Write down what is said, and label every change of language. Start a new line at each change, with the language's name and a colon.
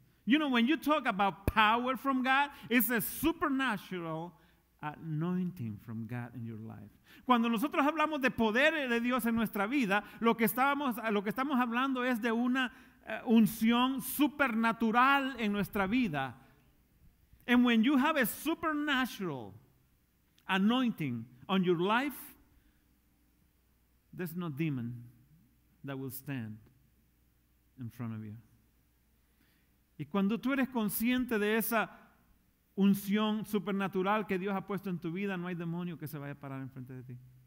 English: You know, when you talk about power from God, it's a supernatural anointing from God in your life.
Spanish: Cuando nosotros hablamos de poder de Dios en nuestra vida, lo que estamos hablando es de una unción supernatural en nuestra vida.
English: And when you have a supernatural anointing on your life, there's no demon that will stand in front of you.
Spanish: Y cuando tú eres consciente de esa unción supernatural que Dios ha puesto en tu vida, no hay demonio que se vaya a parar enfrente de ti.